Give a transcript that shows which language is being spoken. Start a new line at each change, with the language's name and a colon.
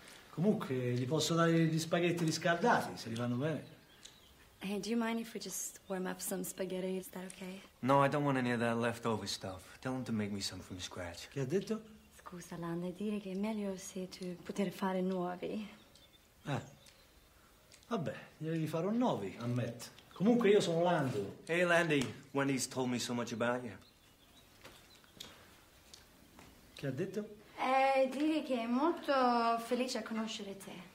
Italian: Comunque, gli posso dare gli spaghetti riscaldati, se gli vanno bene.
English: Hey, do you mind if we just warm up some spaghetti? Is that okay? No, I don't want any of that leftover stuff. Tell him to make me some from scratch.
Italian: Che ha detto? Scusa, Landa, dire che è meglio se tu poter fare nuovi. Vabbè, glieli farò nuovi, ammetto. Comunque io sono Lando.
English: Hey, Landy, Wendy's told me so much about you.
Italian: Che ha detto? Dire che è molto felice a conoscere te.